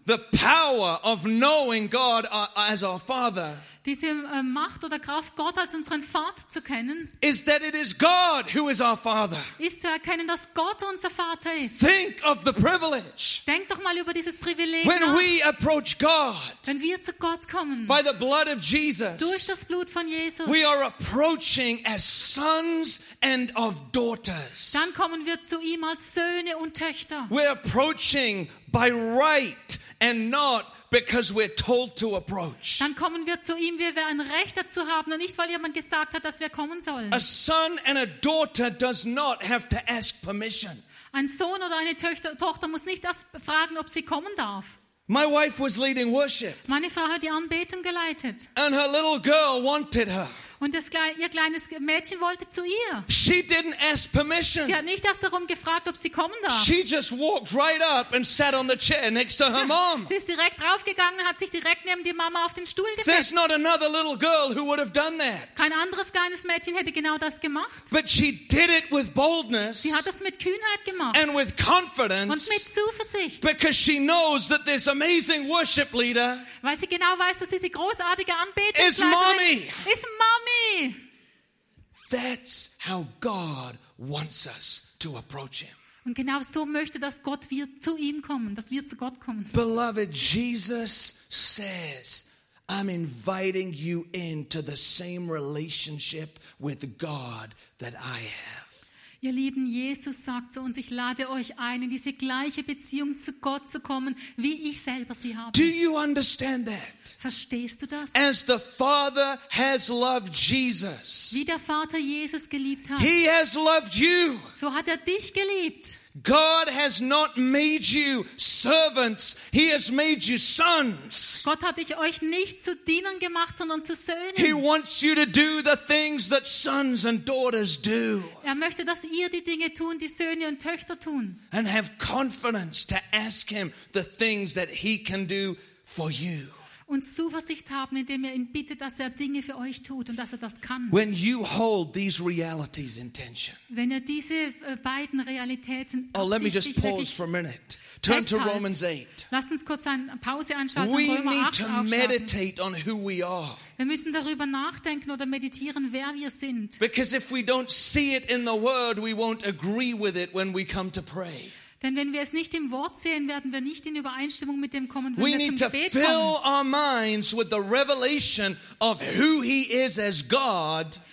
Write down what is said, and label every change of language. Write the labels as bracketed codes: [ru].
[en] The power of knowing God as our Father. [de] Diese Macht oder Kraft, Gott als unseren Vater zu kennen, [en] is that it is God who is our Father. [de] Ist zu erkennen, dass Gott unser Vater ist. [en] Think of the privilege. [de] Denk doch mal über dieses Privileg. [en] When we approach God, [de] wenn wir zu Gott kommen, [en] by the blood of Jesus, [de] durch das Blut von Jesus, [en] we are approaching as sons and of daughters. [de] Dann kommen wir zu ihm als Söhne und Töchter. [en] We're approaching by right and not because we're told to approach. [de] Dann kommen wir zu ihm, wie wir ein Recht dazu haben und nicht, weil jemand gesagt hat, dass wir kommen sollen. [en] A son and a daughter does not have to ask permission. [de] Ein Sohn oder eine Tochter muss nicht erst fragen, ob sie kommen darf. [en] My wife was leading worship. [de] Meine Frau hat die Anbetung geleitet. [en] And her little girl wanted her. [de] Und das ihr kleines Mädchen wollte zu ihr. [en] She didn't ask permission. [de] Sie hat nicht erst darum gefragt, ob sie kommen darf. [en] She just walked right up and sat on the chair next to her mom. [de] Sie ist direkt draufgegangen und hat sich direkt neben die Mama auf den Stuhl gesetzt. [en] There's not another little girl who would have done that. [de] Kein anderes kleines Mädchen hätte genau das gemacht. [en] But she did it with boldness. [de] Sie hat das mit Kühnheit gemacht. [en] And with confidence. [de] Und mit Zuversicht. [en] Because she knows that this amazing worship leader. [de] Weil sie genau weiß, dass diese großartige Anbetungsleiterin ist Mami. [en] That's how God wants us to approach him. [de] Und genau so möchte, dass Gott wir zu ihm kommen, dass wir zu Gott kommen. [en] Beloved, Jesus says, I'm inviting you into the same relationship with God that I have. [de] Ihr Lieben, Jesus sagt zu uns, ich lade euch ein, in diese gleiche Beziehung zu Gott zu kommen, wie ich selber sie habe. [en] Do you understand that? [de] Verstehst du das? [en] As the Father has loved Jesus, [de] wie der Vater Jesus geliebt hat, [en] he has loved you. [de] So hat dich geliebt. [en] God has not made you servants, he has made you sons. [de] Gott hat euch nicht zu Dienern gemacht, sondern zu Söhnen. [en] He wants you to do the things that sons and daughters do. [de] Möchte, dass ihr die Dinge tun, die Söhne und Töchter tun. [en] And have confidence to ask him the things that he can do for you. [de] Und Zuversicht haben, indem ihr ihn bittet, dass er Dinge für euch tut und dass er das kann. [en] When you hold these realities in tension, [de] wenn ihr diese beiden Realitäten absichtlich [en] let me just pause for a minute. Turn to Romans 8. [de] Lasst uns kurz eine Pause anschalten. [en] We need to meditate on who we are. [de] Wir müssen darüber nachdenken oder meditieren, wer wir sind. [en] Because if we don't see it in the word, we won't agree with it when we come to pray. [de] Denn wenn wir es nicht im Wort sehen, werden wir nicht in Übereinstimmung mit dem kommen, wenn [en] we [de] wir zum Gebet kommen. [en] We need to fill our minds with the revelation of who he is as God.